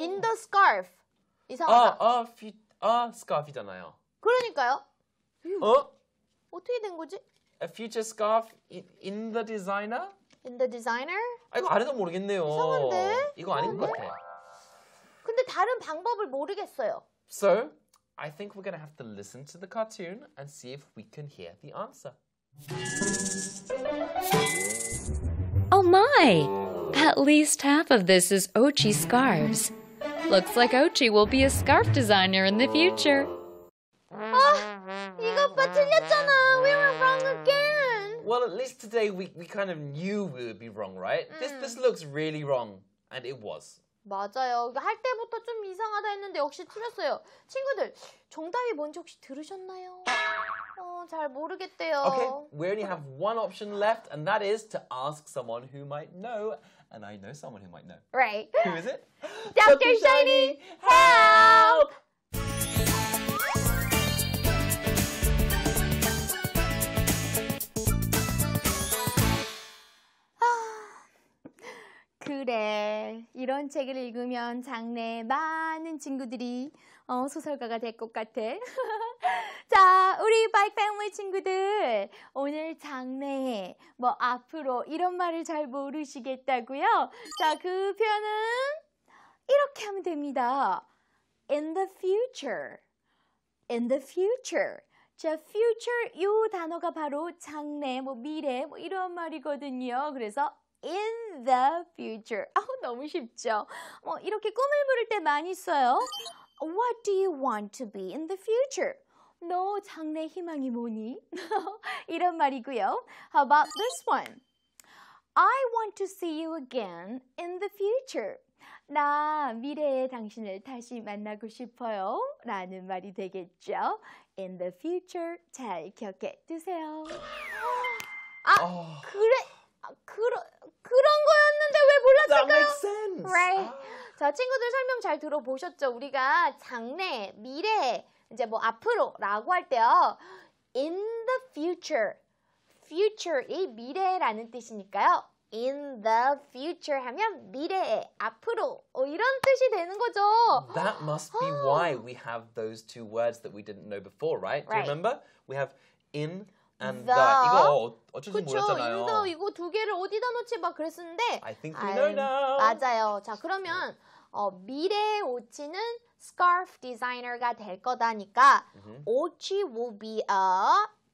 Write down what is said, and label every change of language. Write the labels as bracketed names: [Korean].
[English] In the scarf. [Korean] 이상하다. A scarf이잖아요. 그러니까요. 어? 어떻게 된 거지? [English] A future scarf in the designer? In the designer? [Korean] 아, 이거 아래도 모르겠네요. 이상한데? 이거 아닌 것 같아. 근데 다른 방법을 모르겠어요. [English] So, I think we're gonna have to listen to the cartoon and see if we can hear the answer. Oh my! At least half of this is Ochi scarves. Looks like Ochi will be a scarf designer in the future. [Korean] 아, 이것 봐 틀렸잖아. [English] We were wrong again. Well, at least today we kind of knew we would be wrong, right? This looks really wrong, and it was. [Korean] 맞아요. 이거 할 때부터 좀 이상하다 했는데 역시 틀렸어요. 친구들, 정답이 뭔지 혹시 들으셨나요? 어, 잘 모르겠대요. [English] Okay, we only have one option left, and that is to ask someone who might know, and I know someone who might know. Right. Who is it? Dr. Shiny, help! [Korean] 그래, 이런 책을 읽으면 장래에 많은 친구들이 소설가가 될 것 같아. 자, 우리 바이크 패밀리 친구들, 오늘 장래에, 뭐 앞으로 이런 말을 잘 모르시겠다고요? 자, 그 표현은 이렇게 하면 됩니다. [English] In the future, in the future. [Korean] 자, future 이 단어가 바로 장래, 뭐 미래, 뭐 이런 말이거든요. 그래서 [English] In the future. [Korean] 아우, 너무 쉽죠? 뭐 이렇게 꿈을 부를 때 많이 써요. [English] What do you want to be in the future? [Korean] 너 장래 희망이 뭐니? 이런 말이고요. [English] How about this one? I want to see you again in the future. [Korean] 나 미래의 당신을 다시 만나고 싶어요 라는 말이 되겠죠. [English] In the future [Korean] 잘 기억해 두세요. 아, 그래? 그런 거였는데 왜 몰랐을까요? [English] That makes sense. Right. [Korean] 자, 친구들 설명 잘 들어보셨죠? 우리가 장래, 미래, 이제 뭐 앞으로라고 할 때요. [English] In the future. [Korean] Future이 미래라는 뜻이니까요. [English] In the future [Korean] 하면 미래에, 앞으로 이런 뜻이 되는 거죠. [English] That must be why we have those two words that we didn't know before, right? Do you remember? We have in and the. [Korean] 이거 어쩔 수 몰랐잖아요. 그쵸, in the 이거 두 개를 어디다 놓지 막 그랬었는데 [English] I think we know now. [Korean] 맞아요. 자, 그러면 미래의 오치는 scarf designer가 될 거다니까 mm-hmm. [English] 오치 will be a